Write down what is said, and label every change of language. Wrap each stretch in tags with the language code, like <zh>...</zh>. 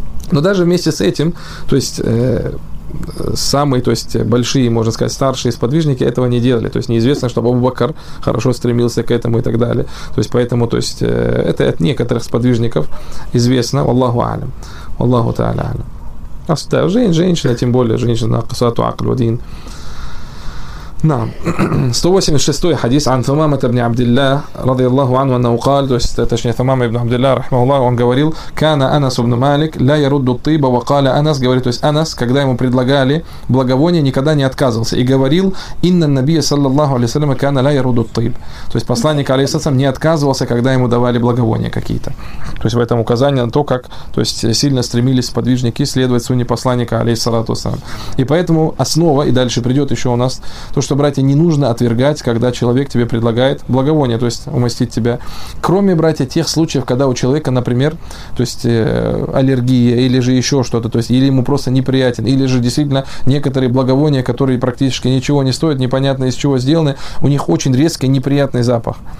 <ru>Но даже вместе с этим, то есть, самые, то есть, большие, можно сказать, старшие сподвижники этого не делали. То есть, неизвестно, чтобы Абу-Бакр хорошо стремился к этому и так далее. То есть, поэтому, то есть, это от некоторых сподвижников известно. Валлаху алям. Валлаху тааля алям. А да, женщина, тем более, женщина,</ru> <ar>кусату акль вадин. نعم. 186 حديث عن ثمامة بن عبد الله رضي الله عنه أنه قال,</ar> <ru>точнее</ru> <ar>ثمامة بن عبد الله رحمه الله,</ar> <ru>он говорил,</ru> <ar>كان أنس بن مالك لا يرد الطيب, وقال أنس,</ar> <ru>говорит, то есть Анас, когда ему предлагали благовоние, никогда не отказывался и говорил,</ru> <ar>إن النبي صلى الله عليه وسلم كان لا يرد الطيب,</ar> <ru>то есть посланник алейхиссалям не отказывался, когда ему давали благовония какие-то. То есть в этом указание на то, как, то есть сильно стремились подвижники следовать сунне посланника алейхиссалям. И поэтому основа, и дальше придет еще у нас то, что, братья, не нужно отвергать, когда человек тебе предлагает благовоние, то есть умастить тебя. Кроме, братья, тех случаев, когда у человека, например, то есть аллергия или же еще что-то, то есть или ему просто неприятен, или же действительно некоторые благовония, которые практически ничего не стоят, непонятно из чего сделаны, у них очень резкий неприятный запах.</ru>